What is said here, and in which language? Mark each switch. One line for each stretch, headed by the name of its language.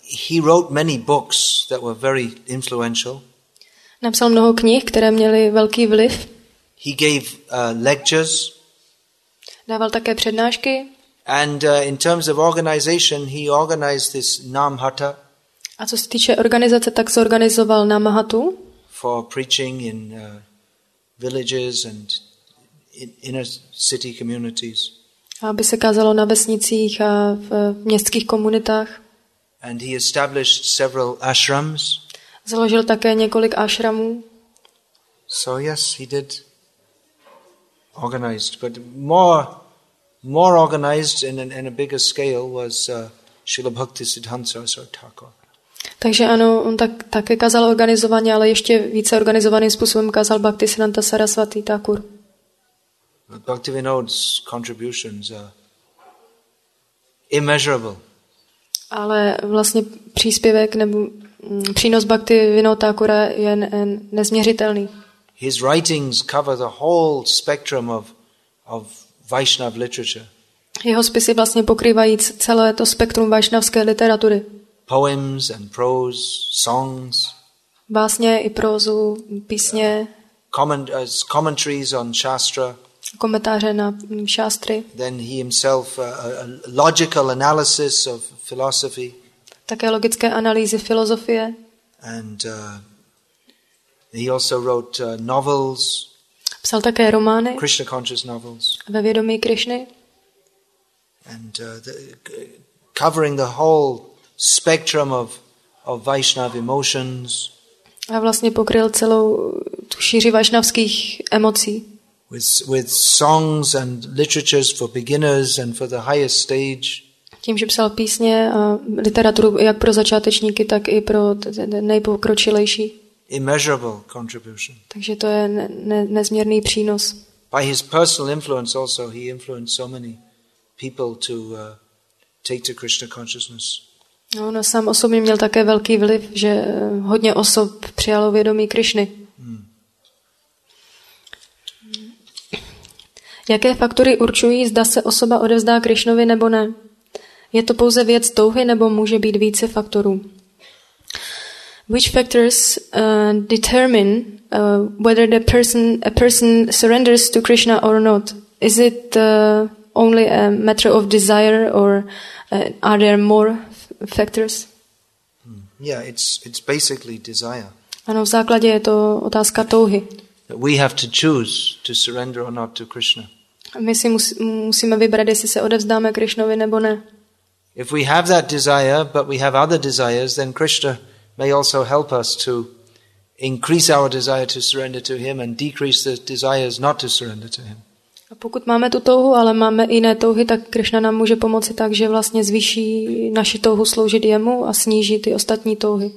English: He wrote many books that were very influential.
Czech: Napsal mnoho knih, které měly velký vliv.
English: He gave lectures.
Czech: Dával také přednášky.
English: And in terms of organization, he organized this Namhatta.
Czech: A co se týče organizace, tak zorganizoval Namhatu.
English: For preaching in villages and in inner city communities.
Czech: Aby se kázalo na vesnicích a v městských komunitách.
English: And he established several ashrams.
Czech: Založil také několik ashramů.
English: So yes, he did organized, but more organized in a bigger scale was Srila Bhaktisiddhanta Sarasvati Thakur.
Czech: Takže ano, on také kázal organizovaně, ale ještě více organizovaným způsobem kázal Bhaktisiddhanta Sarasvati Thakur.
English: Bhaktivinoda's contributions are immeasurable.
Czech: Ale vlastně příspěvek nebo přínos Bhaktivinoda Thakura je nezměřitelný.
English: His writings cover the whole spectrum of Vaishnav literature.
Czech: Jeho spisy vlastně pokrývají celé to spektrum vaishnavské literatury.
English: Poems and prose, songs.
Czech: Básně i prózu, písně.
English: Commentaries on shastra.
Czech: Komentáře na šástry.
English: Then he himself a logical analysis of philosophy.
Czech: Také logické analýzy filozofie.
English: And he also wrote novels.
Czech: Psal také romány.
English: Krishna conscious novels.
Czech: Ve vědomí Krišny.
English: And covering the whole spectrum of Vaishnav emotions.
Czech: A vlastně pokryl celou tu šíři vaishnavských emocí.
English: With songs and literatures for beginners and for the highest stage.
Czech: Tím, že psal písně a literaturu jak pro začátečníky, tak i pro nejpokročilejší.
English: Immeasurable contribution.
Czech: Takže to je nezměrný přínos.
English: By his personal influence also, he influenced so many people to take to Krishna consciousness.
Czech: No, on sám osobně měl také velký vliv, že hodně osob přijalo vědomí Krišny. Jaké faktory určují, zda se osoba odevzdá Krišnovi nebo ne? Je to pouze věc touhy nebo může být více faktorů?
English: Which factors determine whether a person surrenders to Krishna or not? Is it only a matter of desire or are there more factors? Yeah, it's basically desire.
Czech: Ano, v základě je to otázka touhy.
English: We have to choose to surrender or not to Krishna.
Czech: My si musíme vybrat, jestli se odevzdáme Krišnovi nebo ne.
English: If we have that desire, but we have other desires, then Krishna may also help us to increase our desire to surrender to him and decrease the desires not to surrender to him.
Czech: A pokud máme tu touhu, ale máme jiné touhy, tak Krišna nám může pomoci tak, že vlastně zvýší naši touhu sloužit jemu a sníží ty ostatní touhy.